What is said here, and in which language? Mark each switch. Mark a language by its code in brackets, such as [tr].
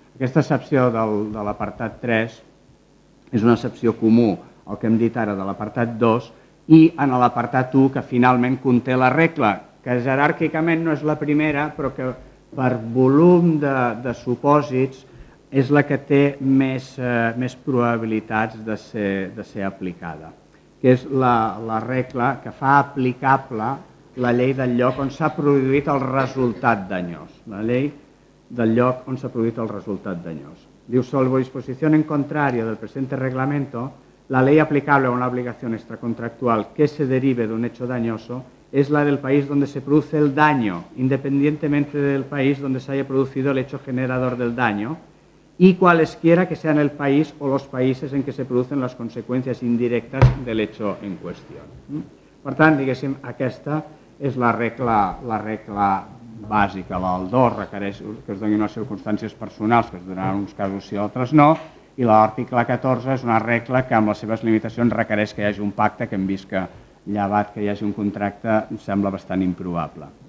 [ca] Aquesta excepció de l'apartat 3 és una excepció comú al que hem dit ara de l'apartat 2 i en l'apartat 1 que finalment conté la regla, que jeràrquicament no és la primera, però que per volum de supòsits és la que té més probabilitats de ser aplicada, que és la regla que fa aplicable la llei del lloc on s'ha produït el resultat danyós. La llei del lloc on s'ha produït el resultat danyós. [es] Diu, salvo disposición en contrario del presente reglamento, la ley aplicable a una obligación extracontractual que se derive de un hecho dañoso es la del país donde se produce el daño, independientemente del país donde se haya producido el hecho generador del daño, y cualesquiera que sean el país o los países en que se producen las consecuencias indirectas del hecho en cuestión. [ca] Per tant, diguéssim, aquesta és la regla bàsica. El 2 requereix que es donin les circumstàncies personals, que es donaran uns casos i altres no, i l'article 14 és una regla que amb les seves limitacions requereix que hi hagi un pacte, que hem vist que llevat que hi hagi un contracte em sembla bastant improbable.